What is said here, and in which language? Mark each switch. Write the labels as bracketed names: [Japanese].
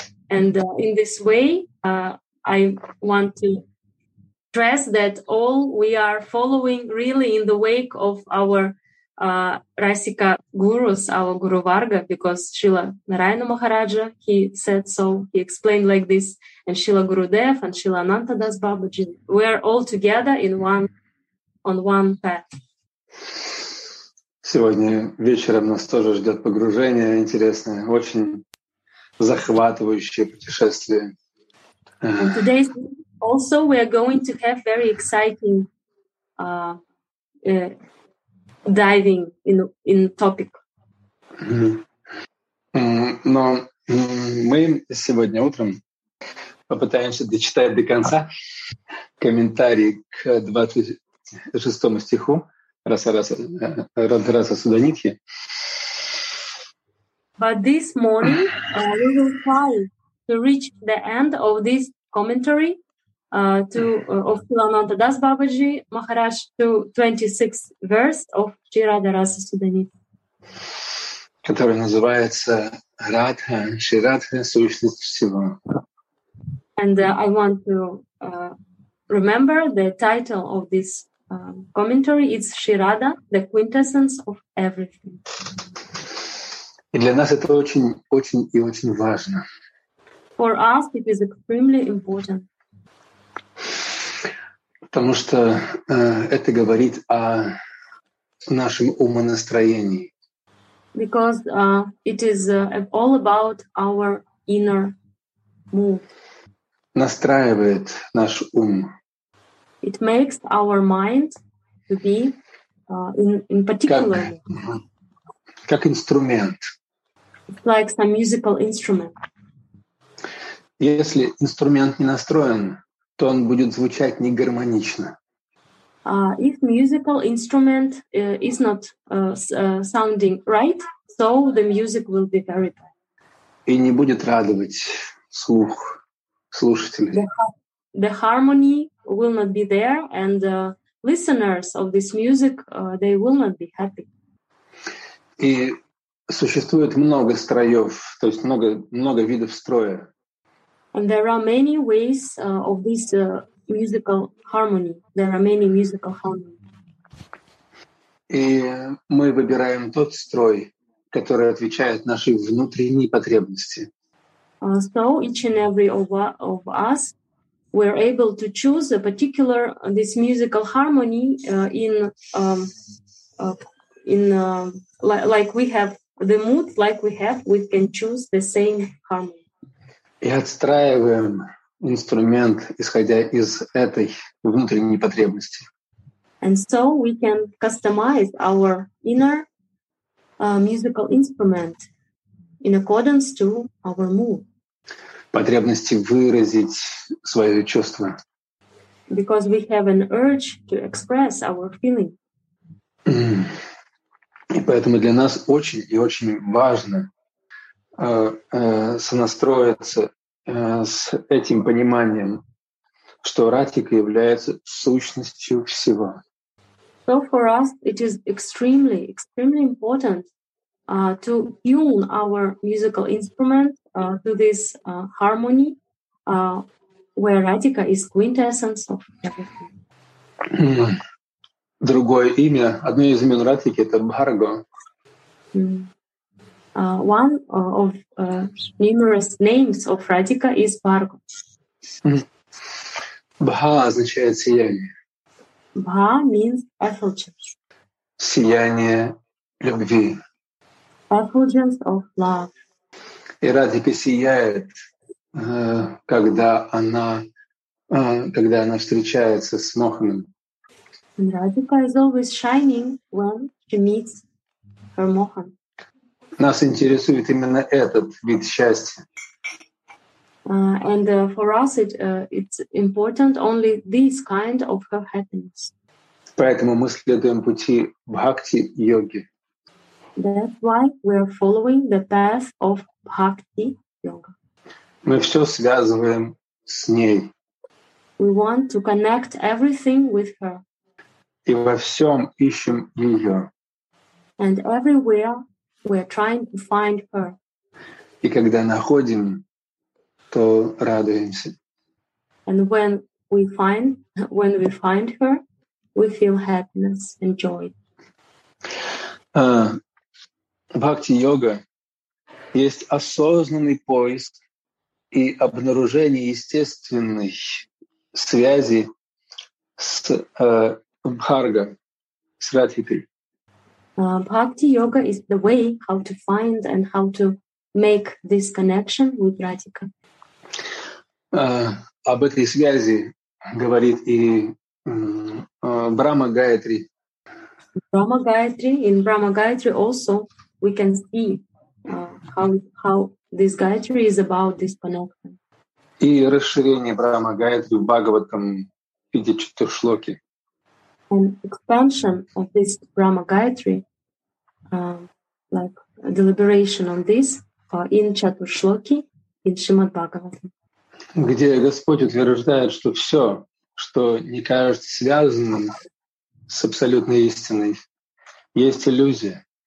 [English] And in this way, I want to stress that all we are following really in the wake of our Rasika gurus, our Guru Varga, because Srila Narayana Maharaja, he said so, he explained like this, and Srila Gurudev and Srila Anantadas Babaji, we are all together on one path. [Russian] Сегодня вечером нас тоже ждет погружение интересное, очень захватывающее путешествие. [English] Today also we are going to have very exciting diving in topic. [Russian] Но мы сегодня утром попытаемся дочитать до конца комментарий к 26 стиху. [English] Rasa Sudhanidhi. But this morning we will try to reach the end of this commentary of Sulanantadas Babaji Maharaj to 26th verse of Radha Rasa Sudhanidhi. [Russian] Который называется Радха, Ширадха, сущность всего. [English] And I want to remember the title of this commentary, it's Shirada, the quintessence of everything. [Russian] И для нас это очень, очень и очень важно. [English] For us, it is extremely important. [Russian] Потому что это говорит о нашем умонастроении. [English] Because it is all about our inner mood. [Russian] Настраивает наш ум. [English] It makes our mind to be in particular [Russian] как инструмент. [English] Like some musical instrument. [Russian] Если инструмент не настроен, то он будет звучать негармонично. [English] If musical instrument is not sounding right, so the music will be very bad. [Russian] И не будет радовать слух слушателей. [English] The harmony will not be there, and listeners of this music, they will not be happy. [Russian] И существует много строев, то есть много видов строя. [English] And there are many ways of this musical harmony. There are many musical harmony. [Russian] И мы выбираем тот строй, который отвечает нашей внутренней потребности. [English] So each and every of us, we're able to choose a particular this musical harmony like we have the mood, like we can choose the same harmony. [Russian] И отстраиваем инструмент, исходя из этой внутренней потребности. [English] And so we can customize our inner musical instrument in accordance to our mood. [Russian] Потребности выразить свое чувство. [English] Because we have an urge to express our feeling. [Russian] И поэтому для нас очень и очень важно сонастроиться с этим пониманием, что Радхика является сущностью всего. [English] So for us it is extremely, extremely important to tune our musical instrument to this harmony where Radhika is quintessence of everything. [Russian] Другое имя, одно из имен Радхики — это Бхарго. [English] One of numerous names of Radhika is Bhargo. [Russian] Бха означает сияние. [English] Бха means effulgence. [Russian] Сияние любви. [English] Effulgence of love. [Russian] И Радхика сияет, когда она встречается с Моханом. [English] And Radhika is always shining when she meets her Mohan. [Russian] Нас интересует именно этот вид счастья. [English] And for us, it's important only this kind of her happiness. [Russian] Поэтому мы следуем пути бхакти-йоги. [English] That's why we are following the path of бхакти-йога. [Russian] Мы все связываем с ней. [English] We want to connect everything with her. [Russian] И во всем ищем ее. [English] And everywhere we are trying to find her. [Russian] И когда находим, то радуемся. [English] And when we find her, we feel happiness and joy. [Russian] Бхакти-йога есть осознанный поиск и обнаружение естественной связи с Бхарго, с Радхикой. [English] Bhakti yoga is the way how to find and how to make this connection with Radhika. [Russian] Об этой связи говорит и Брама Гаятри. [English] Брама Гаятри. In Брама Гаятри also we can see how this Гаятри is about this connection. [Russian] И расширение Брама Гаятри в Бхагаватам в виде четвершлоки. [English] An expansion of this Brahma Gayatri, like a deliberation on this, in Chatushloki, in Shrimad Bhagavatam. [Russian] Где Господь утверждает, что все, что не кажется связанным с абсолютной истиной, есть иллюзия.